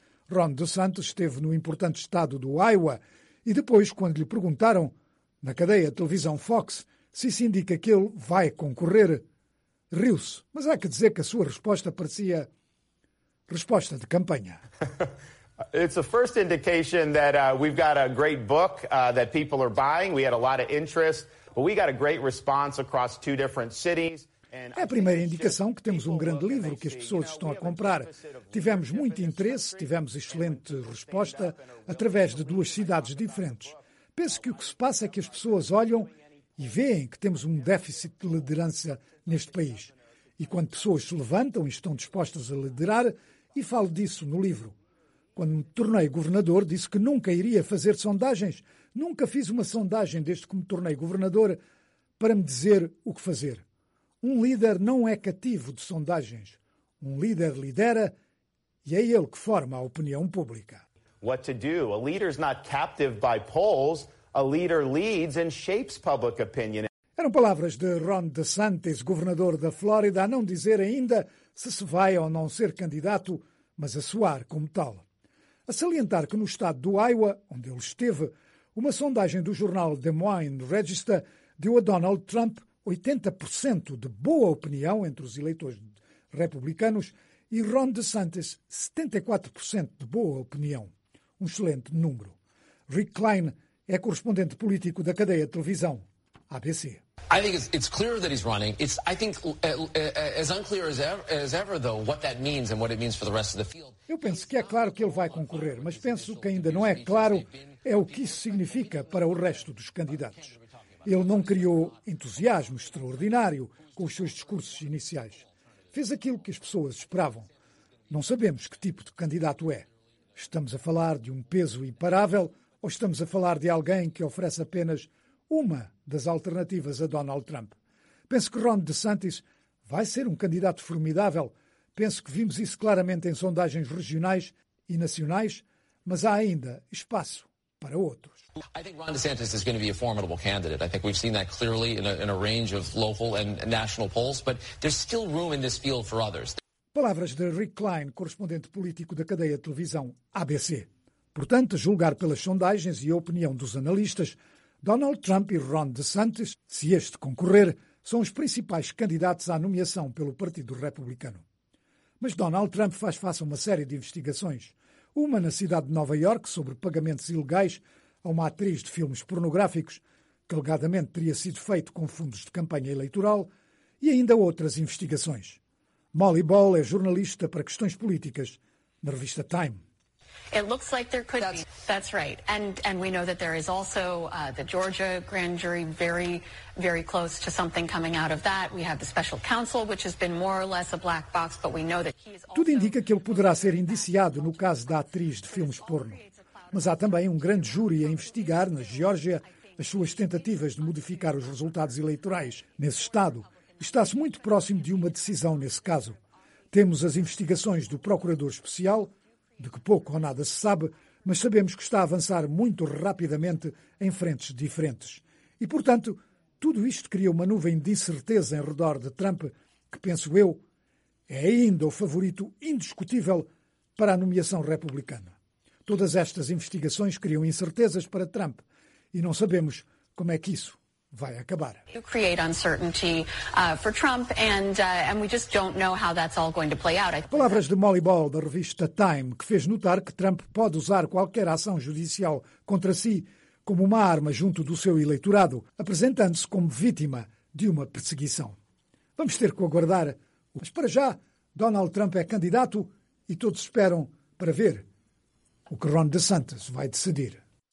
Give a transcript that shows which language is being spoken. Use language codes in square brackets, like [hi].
[pt] Ron DeSantis esteve no importante estado do Iowa e depois, quando lhe perguntaram, na cadeia de televisão Fox, se isso indica que ele vai concorrer, riu-se. Mas há que dizer que a sua resposta parecia resposta de campanha. [en] It's a first indication that we've got a great book that people are buying. We had a lot of interest, but we got a great response across two different cities. [pt] É a primeira indicação que temos um grande livro que as pessoas estão a comprar. Tivemos muito interesse, tivemos excelente resposta através de duas cidades diferentes. Penso que o que se passa é que as pessoas olham e veem que temos um déficit de liderança neste país. E quando pessoas se levantam e estão dispostas a liderar, e falo disso no livro. Quando me tornei governador, disse que nunca iria fazer sondagens. Nunca fiz uma sondagem desde que me tornei governador para me dizer o que fazer. Um líder não é cativo de sondagens. Um líder lidera e é ele que forma a opinião pública. [en] What to do? A leader is not captive by polls. A leader leads and shapes public opinion. [pt] Era Foram palavras de Ron DeSantis, governador da Flórida, a não dizer ainda se se vai ou não ser candidato, mas a soar como tal. A salientar que no estado do Iowa, onde ele esteve, uma sondagem do jornal Des Moines Register deu a Donald Trump 80% de boa opinião entre os eleitores republicanos e Ron DeSantis 74% de boa opinião. Um excelente número. Rick Klein é correspondente político da cadeia de televisão ABC. [en] I think it's clear that he's running. It's, I think, as unclear as ever, though, what that means and what it means for the rest of the field. [pt] Eu penso que é claro que ele vai concorrer, mas penso que ainda não é claro é o que isso significa para o resto dos candidatos. Ele não criou entusiasmo extraordinário com os seus discursos iniciais. Fez aquilo que as pessoas esperavam. Não sabemos que tipo de candidato é. Estamos a falar de um peso imparável ou estamos a falar de alguém que oferece apenas uma das alternativas a Donald Trump? Penso que Ron DeSantis vai ser um candidato formidável. Penso que vimos isso claramente em sondagens regionais e nacionais, mas há ainda espaço para outros. [en] I think Ron DeSantis is going to be a formidable candidate. I think we've seen that clearly in a range of local and national polls, but there's still room in this field for others. [pt] Palavras de Rick Klein, correspondente político da cadeia de televisão ABC. Portanto, a julgar pelas sondagens e a opinião dos analistas, Donald Trump e Ron DeSantis, se este concorrer, são os principais candidatos à nomeação pelo Partido Republicano. Mas Donald Trump faz face a uma série de investigações. Uma na cidade de Nova York sobre pagamentos ilegais a uma atriz de filmes pornográficos, que alegadamente teria sido feito com fundos de campanha eleitoral, e ainda outras investigações. Molly Ball é jornalista para questões políticas na revista Time. [en] It looks like there could be. That's right. And we know that there is also the Georgia grand jury very, very close to something coming out of that. We have the special counsel, which has been more or less a black box, but we know that he is also. [pt] Tudo indica que ele poderá ser indiciado no caso da atriz de filmes porno. Mas há também um grande júri a investigar, na Geórgia, as suas tentativas de modificar os resultados eleitorais nesse estado. Está-se muito próximo de uma decisão nesse caso. Temos as investigações do procurador especial, de que pouco ou nada se sabe, mas sabemos que está a avançar muito rapidamente em frentes diferentes. E, portanto, tudo isto cria uma nuvem de incerteza em redor de Trump, que, penso eu, é ainda o favorito indiscutível para a nomeação republicana. Todas estas investigações criam incertezas para Trump e não sabemos como é que isso vai acabar. [en] You create uncertainty for Trump and we just don't know how that's all going to play out. [pt] Palavras de Molly Ball, da revista Time, que fez notar que Trump pode usar qualquer ação judicial contra si como uma arma junto do seu eleitorado, apresentando-se como vítima de uma perseguição. Vamos ter que aguardar. Mas para já, Donald Trump é candidato e todos esperam para ver o que Ron DeSantis vai decidir.